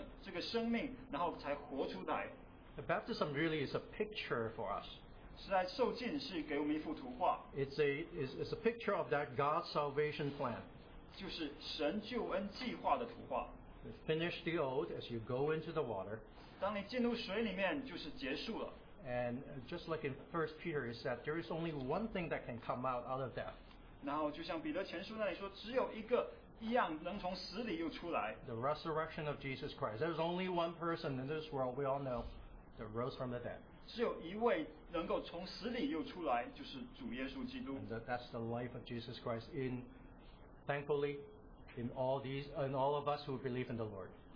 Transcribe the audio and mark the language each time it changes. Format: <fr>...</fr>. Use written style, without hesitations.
<zh>但是父神他乃是愿意我们先接受这个生命树的这个生命，然后才活出来。</zh> <en>The baptism really is a picture for us.</en> <zh>是来受浸是给我们一幅图画。</zh> <en>It's a picture of that God's salvation plan.</en> <zh>就是神救恩计划的图画。</zh> <en>Finish the old as you go into the water.</en> <zh>当你进入水里面就是结束了。</zh> <en>And just like in 1 Peter it said, there is only one thing that can come out of death.</en> <zh>然后就像彼得前书那里说，只有一个一样能从死里又出来。</zh> <en>The resurrection of Jesus Christ. There is only one person in this world we all know that rose from the dead.</en> <zh>只有一位能够从死里又出来，就是主耶稣基督。</zh> <en>That's the life of Jesus Christ in, thankfully, in all of us who believe in the Lord.</en>